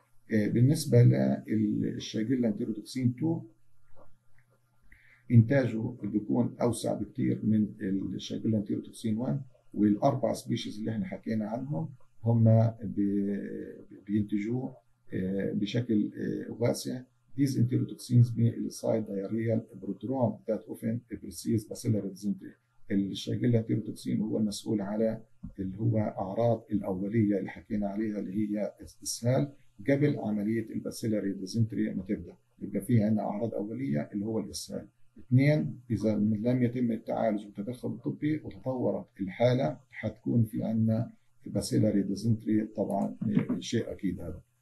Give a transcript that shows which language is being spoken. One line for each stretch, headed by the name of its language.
Arabic: بالنسبه للشيجيلا انتيروتوكسين 2 انتاجه بيكون اوسع بكثير من الشيجيلا انتيروتوكسين 1، والاربع سبيشيز اللي احنا حكينا عنهم هم بينتجوه بشكل واسع.
English: These enterotoxins may elicit diarrheal prodrome that often precedes bacillary dysentery.
Arabic: الشيجيلا انتيروتوكسين هو المسؤول على اللي هو اعراض الاوليه اللي حكينا عليها اللي هي استسهال قبل عمليه الباسيلاري ديزنتري ما تبدا، يبقى في عندنا اعراض اوليه اللي هو الاسهال. اثنين، اذا لم يتم التعالج والتدخل الطبي وتطورت الحاله حتكون في عندنا باسيلاري ديزنتري، طبعا شيء اكيد هذا.